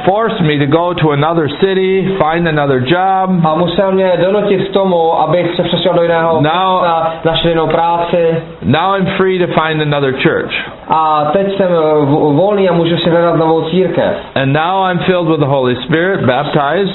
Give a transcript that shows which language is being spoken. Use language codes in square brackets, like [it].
[en] Forced me to go to another city, find another job. [cs] A musel mě donutit k tomu, abych se přesunul do jiného města, našel jinou práci. [en] Now I'm free to find another church. [cs] A teď jsem volný a můžu si hledat novou církev. [en] And now I'm filled with the Holy Spirit, baptized.